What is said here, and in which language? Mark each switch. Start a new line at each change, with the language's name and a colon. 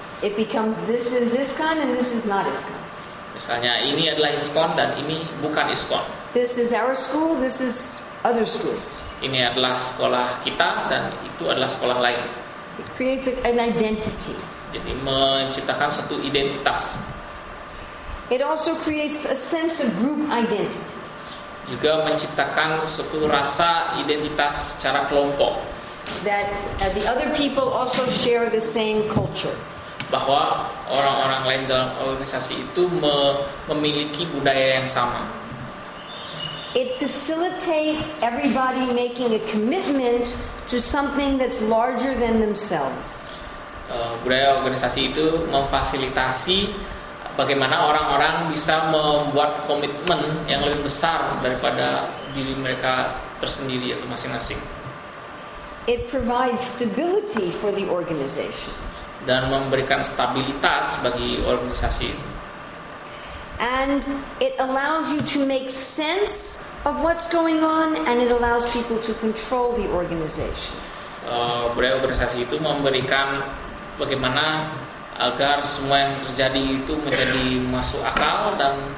English: It becomes this is ISKCON and this is not ISKCON.
Indonesian: Misalnya ini adalah ISKCON dan ini bukan ISKCON.
English: This is our school, this is other schools.
Indonesian: Ini adalah sekolah kita dan itu adalah sekolah lain.
English: It creates an identity.
Indonesian: Jadi menciptakan suatu identitas.
English: It also creates a sense of group identity.
Indonesian: Juga menciptakan suatu rasa identitas secara kelompok.
English: That the other people also share the same culture.
Indonesian: Bahwa orang-orang lain dalam organisasi itu memiliki budaya yang sama.
English: It facilitates everybody making a commitment to something that's larger than themselves.
Indonesian: Budaya organisasi itu memfasilitasi bagaimana orang-orang bisa membuat komitmen yang lebih besar daripada diri mereka tersendiri atau masing-masing.
English: It provides stability for the organization.
Indonesian: Dan memberikan stabilitas bagi organisasi.
English: And it allows you to make sense of what's going on, and it allows people to control the organization.
Indonesian: Budaya organisasi itu memberikan bagaimana agar semua yang terjadi itu menjadi masuk akal dan